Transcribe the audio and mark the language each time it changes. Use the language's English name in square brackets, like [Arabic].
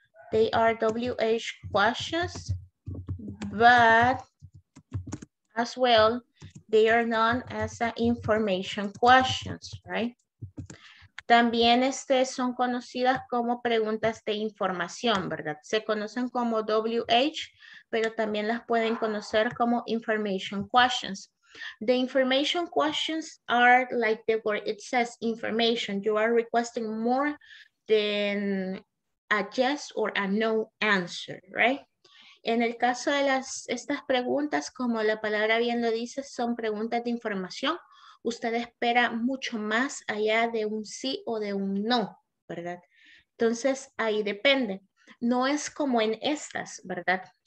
[English] They are WH questions, but as well, they are known as information questions, right? [Spanish] También son conocidas como preguntas de información, ¿verdad? Se conocen como WH, pero también las pueden conocer como [English] information questions. The information questions are like the word it says, information. You are requesting more than a yes or a no answer, right? [Spanish] En el caso de estas preguntas, como la palabra bien lo dice, son preguntas de información. Usted espera mucho más allá de un sí o de un no, ¿verdad? Entonces, ahí depende. No es como en estas, ¿verdad?